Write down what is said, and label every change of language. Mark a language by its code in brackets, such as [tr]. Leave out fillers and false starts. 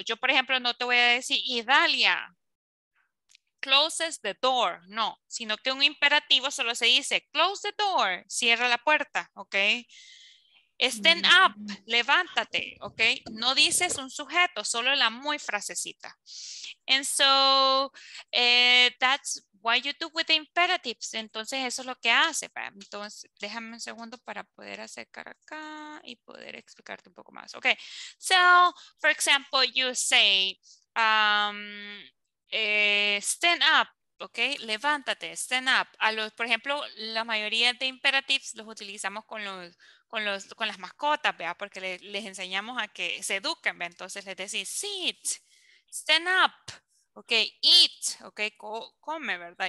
[es] Yo, por ejemplo, no te voy a decir, Idalia, [en] closes the door. [es] No, sino que un imperativo solo se dice, [en] close the door, [es] cierra la puerta, ¿ok? [en] Stand up, [es] levántate, [en] ¿ok? [es] No dices un sujeto, solo la muy frasecita. [en] And so, that's what you do with the imperatives. [es] Entonces, eso es lo que hace. Entonces, déjame un segundo para poder acercar acá y poder explicarte un poco más. [en] Ok, so, for example, you say, stand up. Ok, [es] levántate, [en] stand up. [es] Por ejemplo, la mayoría de imperatives los utilizamos con las mascotas, ¿verdad? Porque les enseñamos a que se eduquen, ¿verdad? Entonces les decís, [en] sit, stand up, ok, eat, ok, come, [es] ¿verdad?